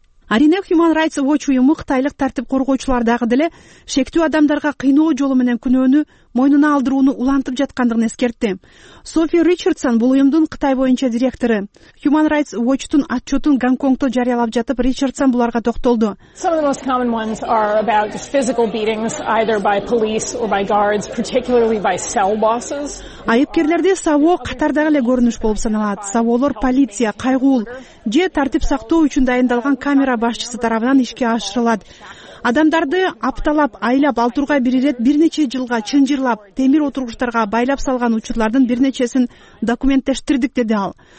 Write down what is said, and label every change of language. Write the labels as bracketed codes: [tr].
[ky] Арине Human Rights Watch уюму кытайлык тартип коргоочулардагы деле шектүү адамдарга кыйноо жолу менен күнөөнү мойнуна алдырууну улантып жаткандыгын эскертти. Софи Ричардсон бул уюмдун Кытай боюнча директору. Human Rights Watch'тун отчетун Гонконгто жарыялап жатып, Ричардсон буларга токтолду. [en] Some of the most common ones are about just physical beatings either by police or by guards, particularly by cell bosses. [ky] Айыпкерлерде сабоо катардагы эле көрүнүш болуп саналат. Сабоолор полиция, кайгуул же тартип сактоо үчүн дайындалган камера башчысы тарабынан ишке ашырылат. Адамдарды апталап, айлап, алтурга бир ирет бир нече жылга чынжырлап, темир отургучтарга байлап салган учурлардын бир нечесин документтештирдик, деди ал.